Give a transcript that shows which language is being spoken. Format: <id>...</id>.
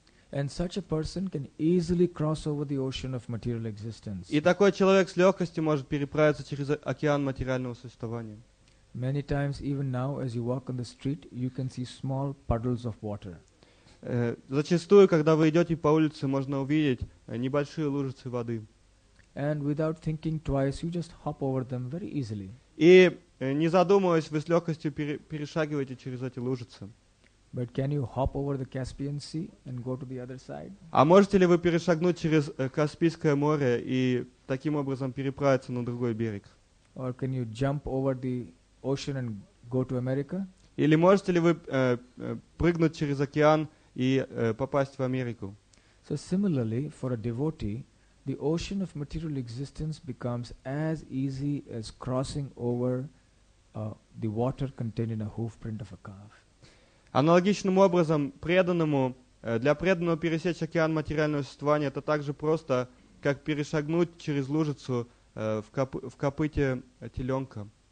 <en>And such a person can easily cross over the ocean of material existence.</en> <ru>И такой человек с легкостью может переправиться через океан материального существования.</ru> <en>Many times, even now, as you walk on the street, you can see small puddles of water.</en> <ru>Зачастую, когда вы идете по улице, можно увидеть небольшие лужицы воды.</ru> <en>And without thinking twice, you just hop over them very easily.</en> <ru>И не задумываясь, вы с легкостью перешагиваете через эти лужицы.</ru> <en>But can you hop over the Caspian Sea and go to the other side?</en> <ru>А можете ли вы перешагнуть через Каспийское море и таким образом переправиться на другой берег?</ru> <en>Or can you jump over the ocean and go to America?</en> <ru>Или можете ли вы прыгнуть через океан и попасть в Америку?</ru> <en>So similarly, for a devotee, the ocean of material existence becomes as easy as crossing over the water contained in a hoofprint of a calf.</en> <ru>Аналогичным образом, преданному, для преданного пересечь океан материального существования, это так же просто, как перешагнуть через лужицу в копыте теленка.</ru>